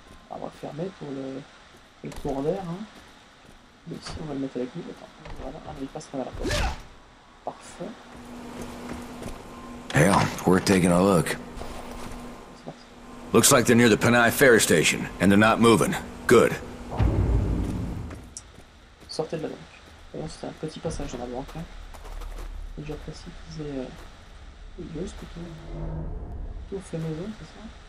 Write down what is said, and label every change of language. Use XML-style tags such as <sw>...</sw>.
<fr>On va fermer pour le... Le tour d'air, hein. Mais ici, on va le mettre avec lui. Attends, voilà. Ah, il passe par la porte. Parfait.</fr> <en>Hell, it's worth taking a look. Looks like they're near the Panay Ferry Station, and they're not moving. Good.</en> <fr>Sortez de la banque. Bon, c'était un petit passage dans la banque, hein. Et j'ai apprécié qu'ils aient... juste plutôt... tout fait maison, c'est ça?</fr>